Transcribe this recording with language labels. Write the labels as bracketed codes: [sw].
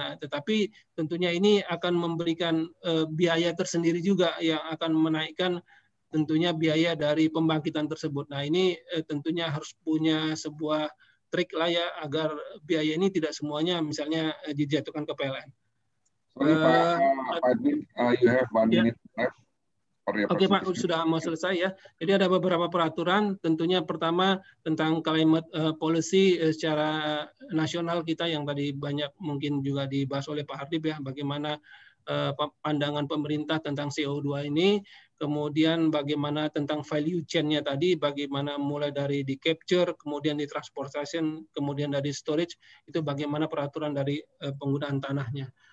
[id] Nah, tetapi tentunya ini akan memberikan biaya tersendiri juga yang akan menaikkan tentunya biaya dari pembangkitan tersebut. Nah, ini tentunya harus punya sebuah trik lah ya agar biaya ini tidak semuanya misalnya dijatuhkan ke PLN. [en] Sorry Pak Edwin, you have one minute left. [id] Oke Pak, sudah mau selesai ya. Jadi ada beberapa peraturan, tentunya pertama tentang climate policy secara nasional kita yang tadi banyak mungkin juga dibahas oleh Pak Hardip ya, bagaimana pandangan pemerintah tentang CO2 ini, kemudian bagaimana tentang value chain-nya tadi, bagaimana mulai dari di capture, kemudian di transportation, kemudian dari storage, itu bagaimana peraturan dari penggunaan tanahnya.